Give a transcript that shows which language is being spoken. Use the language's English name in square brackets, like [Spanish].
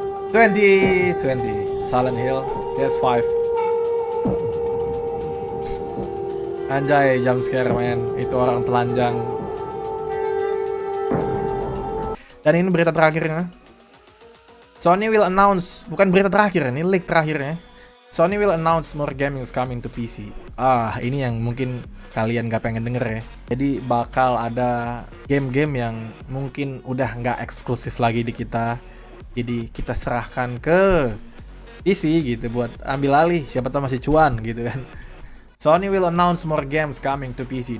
[English] Twenty Silent Hill PS5. [Indonesian] Anjay, jump scare man, itu orang telanjang. Dan ini berita terakhirnya. Sony will announce, bukan berita terakhir, ini leak terakhirnya. [English] Sony will announce more gaming coming to PC. [Indonesian] Ah, ini yang mungkin kalian gak pengen denger ya. Jadi bakal ada game-game yang mungkin udah gak eksklusif lagi di kita. Jadi kita serahkan ke PC gitu buat ambil alih, siapa tahu masih cuan gitu kan. [English] Sony will announce more games coming to PC.